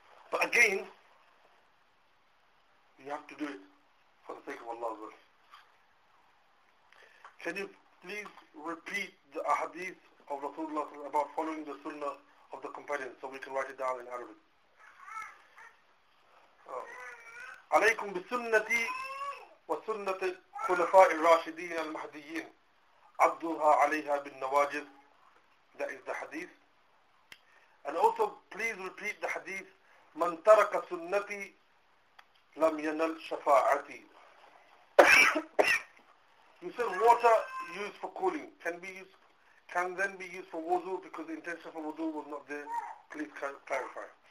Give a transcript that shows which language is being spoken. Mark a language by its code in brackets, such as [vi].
[en] But again, you have to do it for the sake of Allah's will. Can you please repeat the ahadith of Rasulullah about following the sunnah of the companions so we can write it down in Arabic? [ar] عليكم بسنتي وسنة الخلفاء الراشدين المهديين عضوها عليها بالنواجذ. [en] That is the hadith. And also please repeat the hadith, [ar] من ترك سنتي لم ينل شفاعتي. [en] You said water used for cooling can then be used for wudu because the intention for wudu was not there. Please clarify.